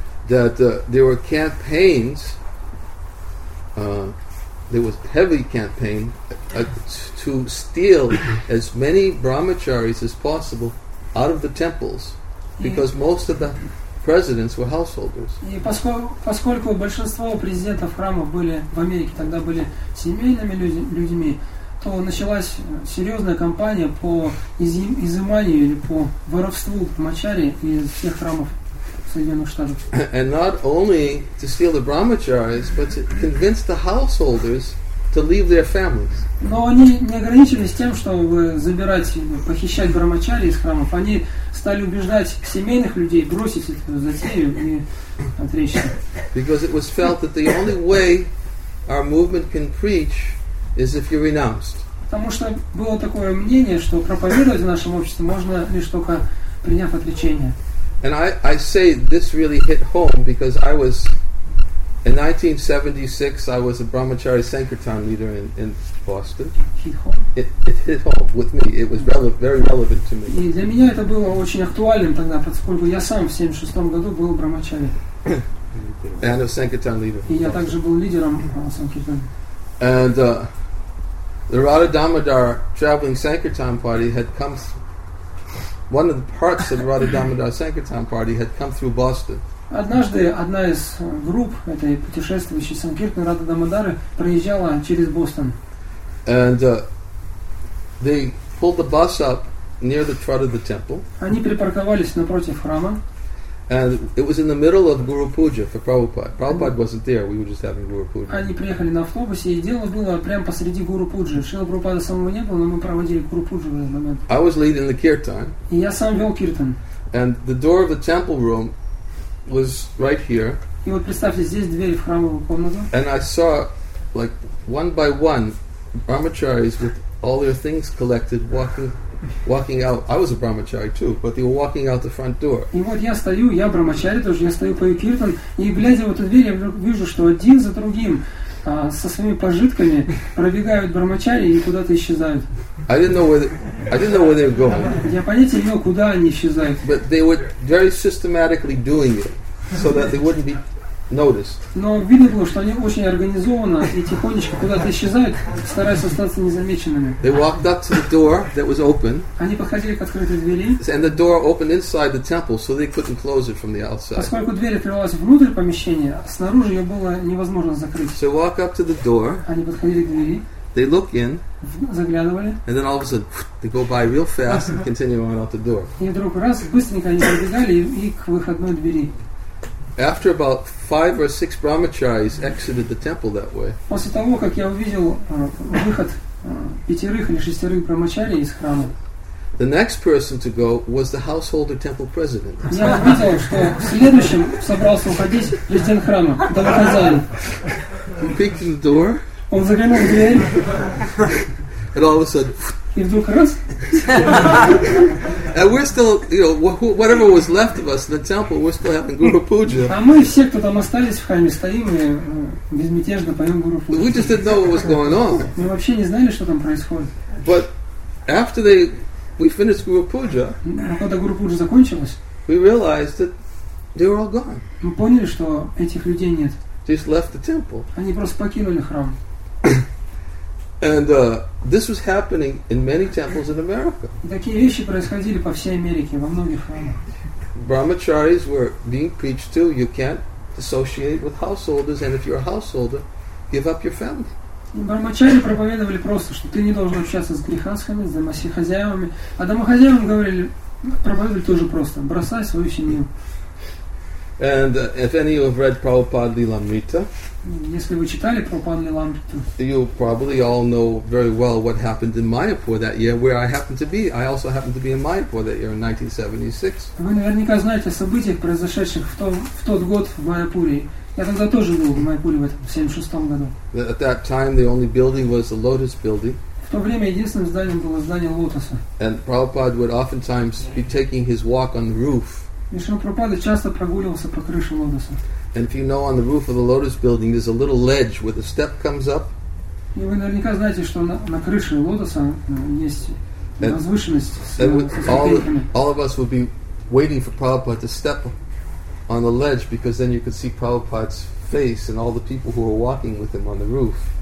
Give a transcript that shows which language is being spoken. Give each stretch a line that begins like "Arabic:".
English: That there were campaigns, there was heavy campaign to steal as many brahmacharis as possible out of the temples, because most of the presidents were householders.
Russian: И поскольку большинство президентов храмов были в Америке, тогда были семейными людьми. То началась серьезная кампания по изыманию или по воровству брахмачари из всех храмов Соединенных Штатов.
English: And not only to steal the brahmacharis, but to convince the householders to leave their families.
Russian: Но они не ограничились тем, чтобы забирать, похищать брахмачари из храмов. Они стали убеждать семейных людей бросить эту затею и отречься.
English: Because it was felt that the only way our movement can preach is if you renounced.
Russian: Потому что было такое мнение, что проповедовать в нашем обществе можно лишь только приняв отречение.
English: And I say this really hit home because I was in 1976 I was a Brahmachari Sankirtan leader in Boston. It hit home with me. It was very relevant to me.
Russian: И для меня это было очень актуальным тогда, поскольку я сам в 76 году был Брахмачари.
English: And a Sankirtan leader.
Russian: И я также был лидером Sankirtan.
English: And the Radha Damodar traveling Sankirtan party had come one of the parts of Radha Damodar Sankirtan party had come through Boston.
Russian: Однажды одна из групп этой путешествующей Санкиртны Радха Дамодары проезжала через Бостон.
English: And they pulled the bus up near the front of the temple.
Russian: Они припарковались напротив храма.
English: And it was in the middle of Guru Puja for Prabhupada. Prabhupada wasn't there. We were just having Guru Puja.
Russian: Они приехали на автобусе, и дело было прямо посреди Guru Puja. Шрила Прабхупада самого не было, но мы проводили Guru Puja в этот момент.
English: I was leading the kirtan.
Russian: И я сам вел киртан.
English: And the door of the temple room was right here.
Russian: И вот представьте, здесь дверь в храмовую комнату.
English: And I saw, like one by one, brahmacharis with all their things collected, walking out. I was a brahmachari too, but they were walking out the front door.
Russian: И вот я стою, я брахмачари тоже, я стою по киртан, и глядя в эту дверь, я вижу, что один за другим со своими пожитками пробегают брахмачари и куда-то исчезают.
English: I didn't know where they were going.
Russian: Я понятия не имел, куда они исчезают.
English: But they were very systematically doing it, so that they wouldn't be noticed.
Russian: Но видно было, что они очень организованно и тихонечко куда-то исчезают, стараясь остаться незамеченными.
English: They walked up to the door that was open.
Russian: Они подходили к открытой двери.
English: And the door opened inside the temple, so they couldn't close it from the outside.
Russian: Поскольку дверь открывалась внутрь помещения, снаружи ее было невозможно закрыть.
English: So walk up to the door.
Russian: Они подходили к двери.
English: They look in,
Russian: заглядывали,
English: and then all of a sudden they go by real fast and continue on out the door.
Russian: И вдруг раз быстренько они забегали и к выходной двери.
English: After about five or six brahmacharis exited the temple that way.
Russian: После того как я увидел выход пятерых или шестерых брахмачари из храма.
English: The next person to go was the householder temple president.
Russian: Я увидел, что следующим собрался уходить президент храма, домохозяин.
English: He peeked in the door.
Russian: Он заглянул в дверь.
English: And all of a sudden.
Russian: И вдруг раз.
English: And we're still, you know, whatever was left of us in the temple, we're still having Guru Puja.
Russian: А мы все, кто там остались в храме, стоим и безмятежно поем Guru Puja.
English: We just didn't know what was going on.
Russian: Мы вообще не знали, что там происходит.
English: But after we finished Guru Puja.
Russian: А когда Guru Puja закончилась.
English: We realized that they were all gone.
Russian: Мы поняли, что этих людей нет.
English: They just left the temple.
Russian: Они просто покинули храм.
English: And this was happening in many temples in America.
Russian: Такие вещи происходили по всей Америке, во многих храмах.
English: Brahmacharis were being preached to, you can't associate with householders, and if you're a householder, give up your family.
Russian: Брахмачари проповедовали просто, что ты не должен общаться с грехасхами, с домохозяевами. А домохозяевам говорили, проповедовали тоже просто, бросай свою семью.
English: And if any of you have read Prabhupada Lilamrita,
Russian: если вы читали Прабхупада Лиламриту,
English: you probably all know very well what happened in Mayapur that year, where I happened to be. I also happened to be in Mayapur that year in 1976.
Russian: Вы наверняка знаете о событиях, произошедших в тот год в Майяпуре. Я тогда тоже был в Майяпуре в этом 76 году.
English: At that time, the only building was the Lotus Building.
Russian: В то время единственным зданием было здание Лотоса.
English: And Prabhupada would oftentimes be taking his walk on the roof.
Russian: И Шрила Прабхупада часто прогуливался по крыше лотоса.
English: And if you know on the roof of the lotus building there's a little ledge where the step comes up.
Russian: И вы наверняка знаете, что на крыше лотоса есть возвышенность со ступеньками.
English: All of us would be waiting for Prabhupada to step on the ledge because then you could see Prabhupada's face and all the people who were walking with him on the roof.